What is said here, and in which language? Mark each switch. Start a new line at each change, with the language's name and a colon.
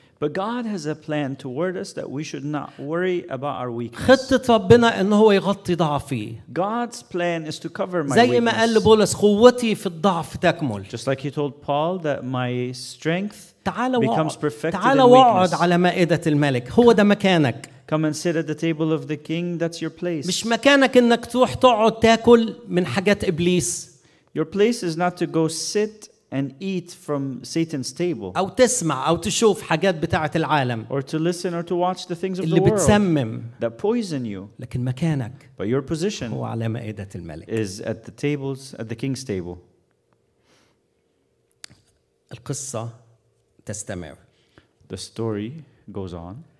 English: But God has a plan toward us that we should not worry about our weakness.
Arabic: خطة ربنا إن هو يغطي ضعفي.
English: God's plan is to cover my weakness.
Arabic: زي ما قال بولس قوتي في الضعف تكمل.
English: Just like he told Paul that my strength becomes perfected in weakness.
Arabic: تعال واقعد على مائدة الملك. هو ده مكانك.
English: Come and sit at the table of the king. That's your place.
Arabic: مش مكانك إنك تروح تقعد تاكل من حاجات إبليس.
English: Your place is not to go sit and eat from Satan's table.
Arabic: أو تسمع أو تشوف حاجات بتاعة العالم.
English: Or to listen or to watch the things of
Arabic: اللي
English: the
Arabic: بتسمم.
English: World that poison you.
Arabic: لكن مكانك.
English: But your position
Arabic: هو على مائدة الملك.
English: Is at the tables at the king's table.
Arabic: القصة تستمر.
English: The story goes on.